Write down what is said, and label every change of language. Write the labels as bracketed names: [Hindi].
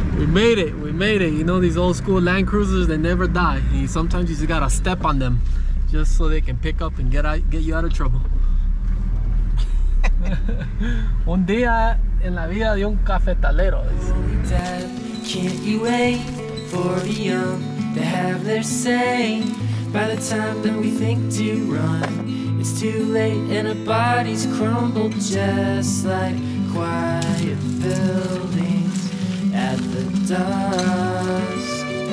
[English] Made it. You know, these old school Land Cruisers, they never die. Sometimes you just gotta step on them just so they can pick up and get you out of trouble. [Spanish] Un día en la vida de un cafetalero. [English] Dad, can't you wait for the young to have their say? By the time that we think to run, it's too late and our bodies crumble just like quiet buildings at the dusk.